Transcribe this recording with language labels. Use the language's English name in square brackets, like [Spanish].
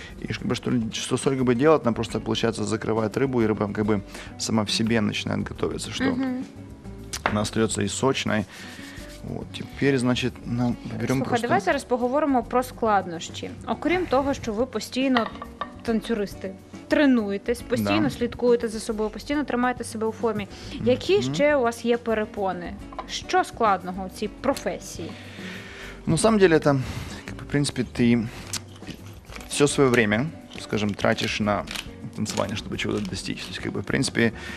[Russian] И как бы, что соль как бы делать, она просто, получается, закрывает рыбу, и рыба как бы сама в себе начинает готовиться, что она остается и сочной. [Ukrainian] От, тепер, значить, нам беремо просто... Слухай, давай зараз поговоримо про складнощі. Окрім того, що ви постійно, танцюристи, тренуєтесь, постійно слідкуєте за собою, постійно тримаєте себе у формі. Які ще у вас є перепони? Що складного у цій професії? [Russian] Ну, на самом деле, это, как бы, в принципе, ты все своє время, скажем, [Ukrainian] тратиш на танцювання, щоб чого-то достичь. [Russian] То есть, как бы, в принципе...